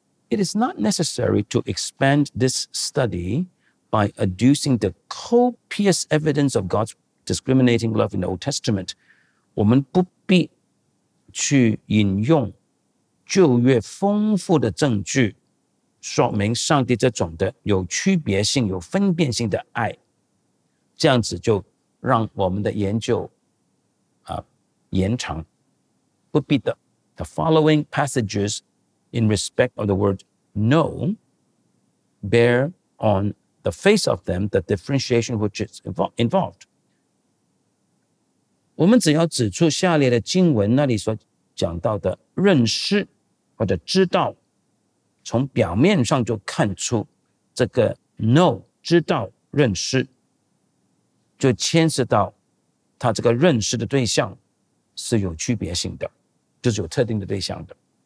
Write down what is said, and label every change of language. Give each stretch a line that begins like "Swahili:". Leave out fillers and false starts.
English: It is not necessary to expand this study by adducing the copious evidence of God's discriminating love in the Old Testament。
Chinese: 我们不必去引用旧约丰富的证据说明上帝这种的有区别性有分辨性的爱，这样子就让我们的研究延长，不必的。
English: The following passages in respect of the word no bear on the face of them the differentiation which is involved。
Chinese: 我们只要指出下列的经文那里所讲到的认识或者知道，从表面上就看出这个 know 知道认识就牵涉到他这个认识的对象是有区别性的，就是有特定的对象的。